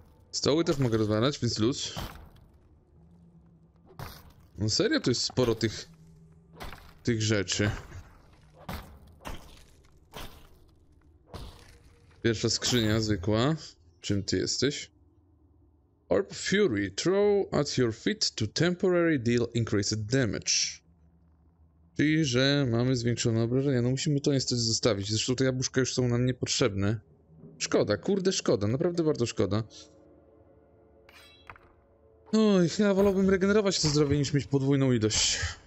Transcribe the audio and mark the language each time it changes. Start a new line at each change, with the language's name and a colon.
Polish: Stoły też mogę rozwalać, więc luz. No serio, tu jest sporo tych rzeczy. Pierwsza skrzynia zwykła. Czym ty jesteś? Orb Fury.
English: Throw at your feet to temporary deal increased damage.
Polish: Czyli, że mamy zwiększone obrażenia. No musimy to niestety zostawić. Zresztą te jabłuszka już są nam niepotrzebne. Szkoda, kurde szkoda. Naprawdę bardzo szkoda. Oj, ja wolałbym regenerować to zdrowie niż mieć podwójną ilość.